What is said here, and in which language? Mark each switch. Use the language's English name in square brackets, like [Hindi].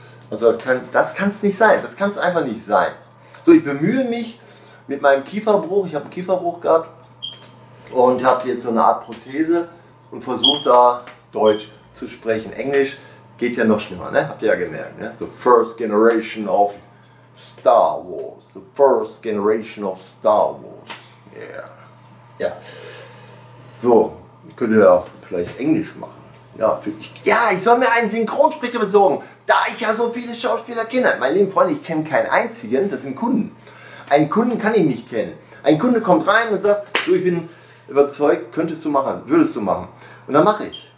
[German] Also das kann es einfach nicht sein. So, ich bemühe mich mit meinem Kieferbruch, ich habe einen Kieferbruch gehabt und habe jetzt so eine Art Prothese und versuche da Deutsch zu sprechen. Englisch geht ja noch schlimmer, ne? Habt ihr ja gemerkt, ne? [English] The first generation of Star Wars. The first generation of Star Wars. Yeah. Ja. [German] So, ich könnte ja vielleicht Englisch machen. Ja, ich soll mir einen Synchronsprecher besorgen, da ich ja so viele Schauspieler kenne. Mein lieben Freunde, ich kenne keinen einzigen, das sind Kunden. Einen Kunden kann ich nicht kennen. Ein Kunde kommt rein und sagt, du, ich bin überzeugt, könntest du machen, würdest du machen. Und dann mache ich.